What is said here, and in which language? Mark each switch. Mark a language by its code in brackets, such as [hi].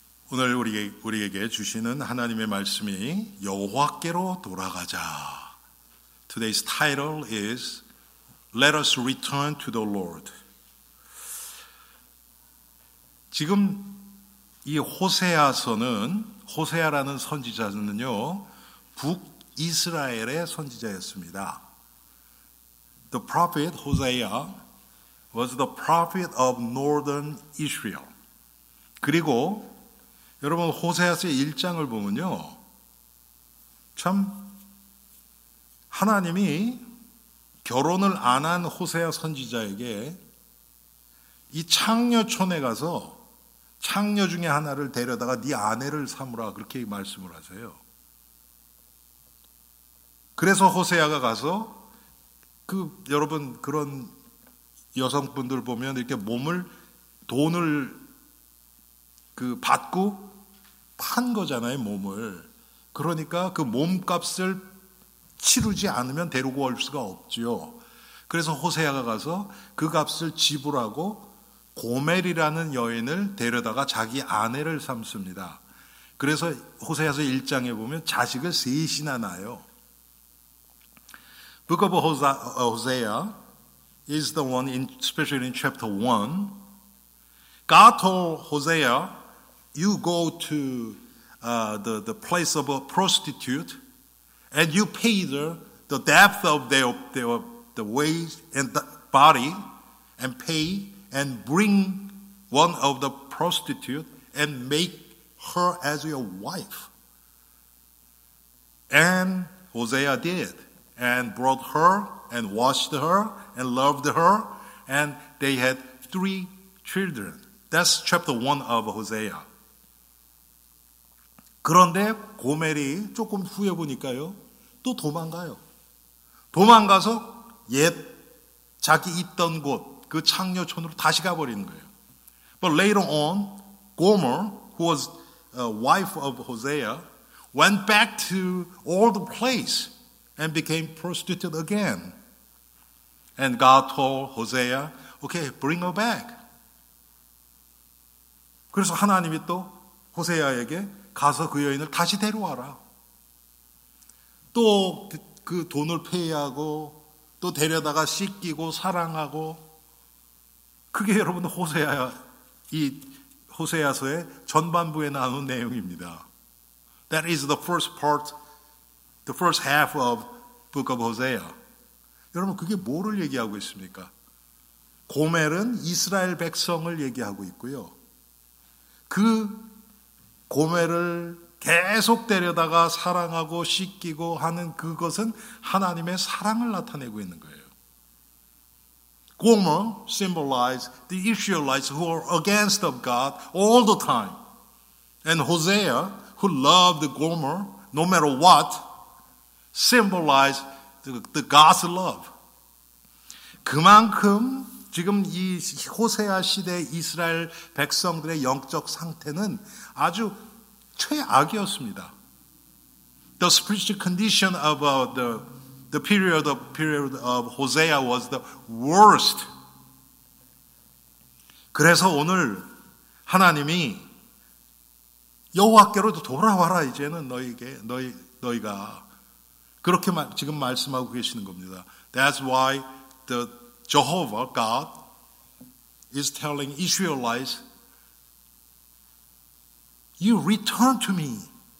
[ko] 오늘 우리에게 주시는 하나님의 말씀이 여호와께로 돌아가자. [en] Today's title is Let Us Return to the Lord. [ko] 지금 이 호세아서는 호세아라는 선지자는요 북이스라엘의 선지자였습니다. [en] The prophet Hosea was the prophet of northern Israel. [ko] 그리고 여러분 호세아서의 1장을 보면요 참 하나님이 결혼을 안 한 호세아 선지자에게 이 창녀촌에 가서 창녀 중에 하나를 데려다가 네 아내를 삼으라 그렇게 말씀을 하세요. 그래서 호세아가 가서 그 여러분 그런 여성분들 보면 이렇게 몸을 돈을 그 받고 판 거잖아요, 몸을. 그러니까 그 몸값을 치르지 않으면 데리고 올 수가 없지요. 그래서 호세아가 가서 그 값을 지불하고 고멜이라는 여인을 데려다가 자기 아내를 삼습니다. 그래서 호세아서 1장에 보면 자식을 셋이나 낳아요. [en] Book of Hosea is the one, especially in chapter 1. God told Hosea, you go to the place of a prostitute and you pay her the depth of their waist and the body and pay and bring one of the prostitute and make her as your wife. And Hosea did and brought her and washed her and loved her and they had three children. That's chapter 1 of Hosea. [ko] 그런데 고멜이 조금 후에 보니까요 또 도망가요. 도망가서 옛 자기 있던 곳 그 창녀촌으로 다시 가버리는 거예요. [en] But later on, Gomer, who was a wife of Hosea, went back to old place and became prostitute again. And God told Hosea, okay, bring her back. [ko] 그래서 하나님이 또 호세아에게 가서 그 여인을 다시 데려와라. 또 그 돈을 페이하고 또 데려다가 씻기고 사랑하고 그게 여러분 호세아 이 호세아서의 전반부에 나온 내용입니다. [en] That is the first part, the first half of Book of Hosea. [ko] 여러분 그게 뭐를 얘기하고 있습니까? 고멜은 이스라엘 백성을 얘기하고 있고요. 그 고멜을 계속 데려다가 사랑하고 씻기고 하는 그것은 하나님의 사랑을 나타내고 있는 거예요. [en] Gomer symbolized the Israelites who are against of God all the time. And Hosea, who loved Gomer no matter what, symbolized the God's love. [ko] 그만큼 지금 이 호세아 시대 이스라엘 백성들의 영적 상태는 아주 최악이었습니다. [en] The spiritual condition of the period of Hosea was the worst. [ko] 그래서 오늘 하나님이 여호와께로 돌아와라 이제는 너희가 그렇게 지금 말씀하고 계시는 겁니다. [en] That's why the Jehovah God is telling Israelites, "You return to me."